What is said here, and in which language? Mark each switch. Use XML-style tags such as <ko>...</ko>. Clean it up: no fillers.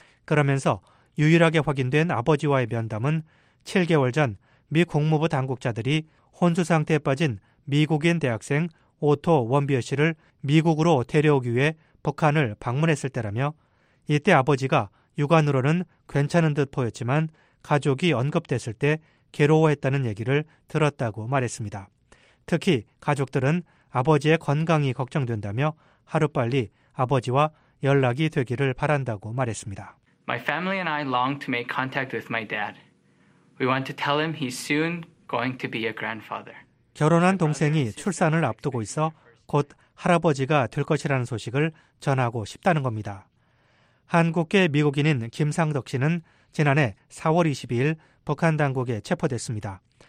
<ko>그러면서 유일하게 확인된 아버지와의 면담은 7개월 전 미 국무부 당국자들이 혼수 상태에 빠진 미국인 대학생 오토 원비어 씨를 미국으로 데려오기 위해 북한을 방문했을 때라며 이때 아버지가 육안으로는 괜찮은 듯 보였지만 가족이 언급됐을 때 괴로워했다는 얘기를 들었다고 말했습니다. 특히 가족들은 아버지의 건강이 걱정된다며 하루빨리 아버지와 연락이 되기를 바란다고 말했습니다.</ko> <en>My family and I long to make contact with my dad. We want to tell him he's soon going to be a grandfather.</en> <ko>결혼한 동생이 출산을 앞두고 있어 곧 할아버지가 될 것이라는 소식을 전하고 싶다는 겁니다. 한국계 미국인인 김상덕 씨는 지난해 4월 22일 북한 당국에 체포됐습니다.</ko>